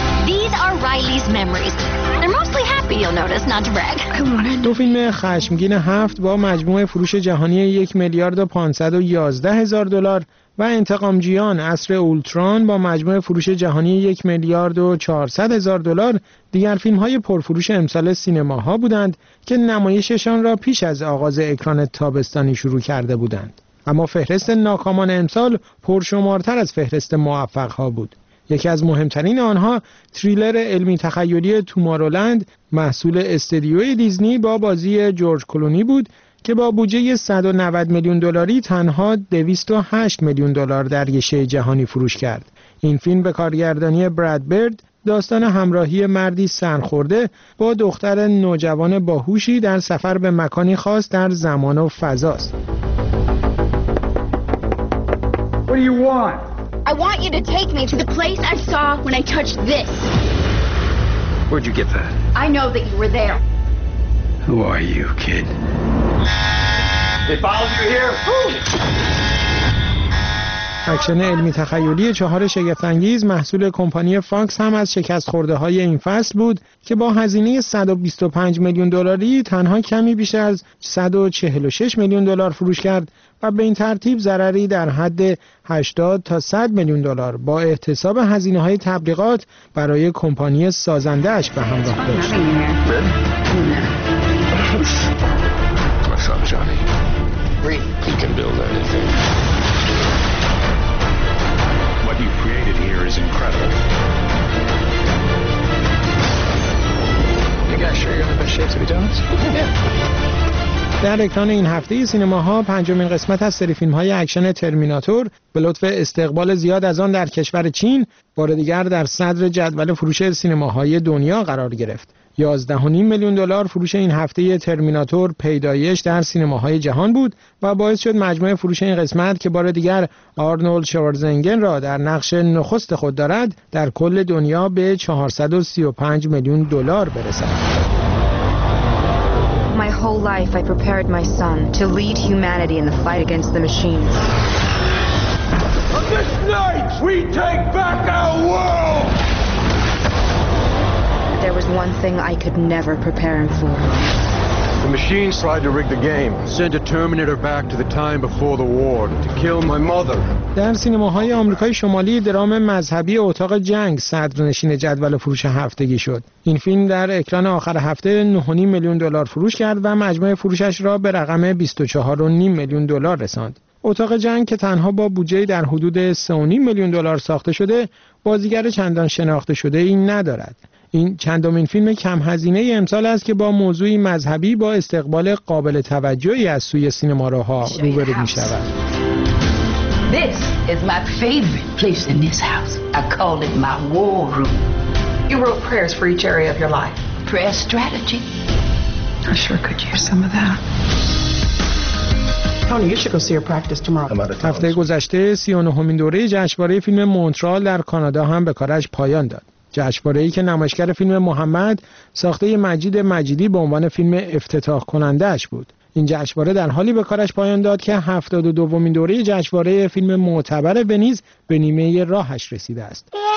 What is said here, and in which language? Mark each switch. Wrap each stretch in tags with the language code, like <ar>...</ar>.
<en>These are Riley's memories. They're mostly happy, you'll notice, not to brag.</en> <fa>دو فیلم خشمگین هفت با مجموع فروش جهانی 1,511,000 دلار و انتقامجویان عصر اولتران با مجموع فروش جهانی 1,400,000 دلار دیگر فیلم‌های پرفروش امسال سینماها بودند که نمایششان را پیش از آغاز اکران تابستانی شروع کرده بودند. اما فهرست ناکامان امسال پرشمارتر از فهرست موفق‌ها بود. یکی از مهمترین آنها تریلر علمی تخیلی تومارولند محصول استدیوی دیزنی با بازی جورج کلونی بود که با بودجه 190 میلیون دلاری تنها 208 میلیون دلار در عرصه جهانی فروش کرد. این فیلم به کارگردانی براد برد داستان همراهی مردی سرخورده با دختر نوجوان باهوشی در سفر به مکانی خاص در زمان و فضا است.</fa> <en>What do you want? I want you to take me to the place I saw when I touched this. Where'd you get that? I know that you were there. Who are you, kid?</en> <fa>اکشن علمی تخیلی چهار شگفت‌انگیز محصول کمپانی فاکس هم از شکست خورده های این فصل بود که با هزینه 125 میلیون دلاری تنها کمی بیش از 146 میلیون دلار فروش کرد و به این ترتیب ضرری در حد 80 تا 100 میلیون دلار با احتساب هزینه های تبلیغات برای کمپانی سازنده اش به همراه داشت.</fa> <en>Johnny. He can build anything. What you created here is incredible. You guys sure you're the best</en> <fa>در اکران این هفته سینماها پنجمین قسمت از سری فیلم‌های اکشن ترمیناتور به لطف استقبال زیاد از آن در کشور چین بار دیگر در صدر جدول فروش سینماهای دنیا قرار گرفت. 11.5 میلیون دلار فروش این هفته ترمیناتور پیدایش در سینماهای جهان بود و باعث شد مجموع فروش این قسمت که بار دیگر آرنولد شوارزنگر را در نقش نخست خود دارد در کل دنیا به 435 میلیون دلار برسد.</fa> <en>My whole life I prepared my son to lead humanity in the fight against the machines. On this night, we take back our world! There was one thing I could never prepare him for. The machines tried to rig the game, send a Terminator back to the time before the war to kill my mother.</en> <fa>در سینماهای آمریکای شمالی درام مذهبی اتاق جنگ صدرنشین جدول فروش هفتگی شد. این فیلم در اکران آخر هفته 9.5 میلیون دلار فروش کرد و مجموع فروشش را به رقم 24.5 میلیون دلار رساند. اتاق جنگ که تنها با بودجه در حدود 3.5 میلیون دلار ساخته شده، بازیگر چندان شناخته شده ای ندارد. این چندمین فیلم کم هزینه ای امسال است که با موضوعی مذهبی با استقبال قابل توجهی از سوی سینماروها روبرو می شود.</fa> <en>This is my favorite place in this house. I call it my war room. You wrote prayers for each area of your life. Prayer strategy. I sure could use some of that.</en> <fa>هفته گذشته 39مین دوره جشنواره فیلم مونترال در کانادا هم به کارش پایان داد. جشنواره‌ای که نمایشگر فیلم محمد ساخته مجید مجیدی به عنوان فیلم افتتاح کننده‌اش بود. این جشنواره در حالی به کارش پایان داد که 72مین دوره جشنواره فیلم معتبر ونیز به نیمه راهش رسیده است.</fa>